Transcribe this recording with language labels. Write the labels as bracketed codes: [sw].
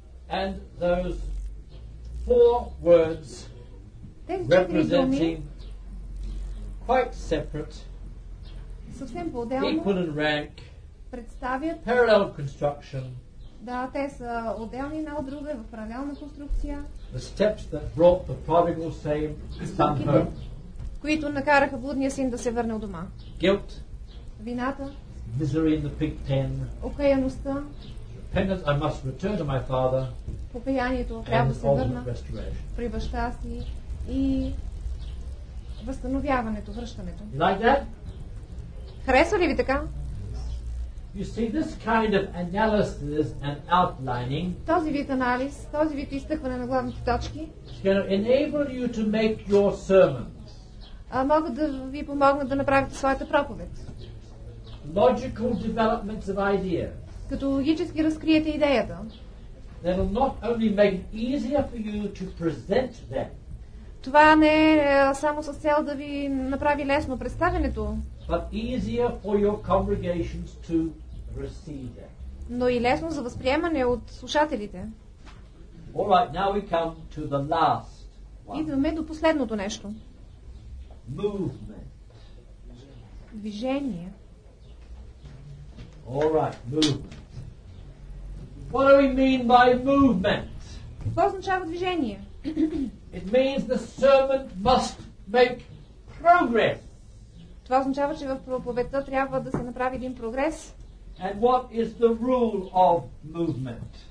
[en] And those four words representing quite separate, [bg] съвсем по-отделно, [en] equal in rank, [bg] представят [en] parallel construction. [bg] Да, те са отделни една от друга в паралелна конструкция. [en] The steps that brought the prodigal son home. [bg] Които накараха блудния син да се върне у дома. [en] Guilt. [bg] Вината. [en] Misery in the pig pen. [bg] Окаяността. [en] Repentance, I must return to my father. [bg] Покаянието, трябва да се върна при баща си. И възстановяването, връщането. [en] Like that? [bg] Харесва ли ви така? [en] You see, this kind of analysis and outlining. [bg] Този вид анализ, този вид изтъкване на главните точки. [en] Can enable you to make your sermon. [bg] Могат да ви помогнат да направите своята проповед. [en] Logical developments of ideas. [bg] Като логически разкриете идеята. [en] That will not only make it easier for you to present them. [bg] Това не е само с цел да ви направи лесно представянето. [en] But easier for your congregations to receive that. [bg] Но и лесно за възприемане от слушателите. [en] All right, now we come to the last one. [bg] Идваме до последното нещо. [en] Movement. [bg] Движение. [en] All right, movement. What do we mean by movement? [bg] Какво означава движение? [en] It means the sermon must make progress. [bg] Това означава, че в проповедта трябва да се направи един прогрес. [en] And what is the rule of movement?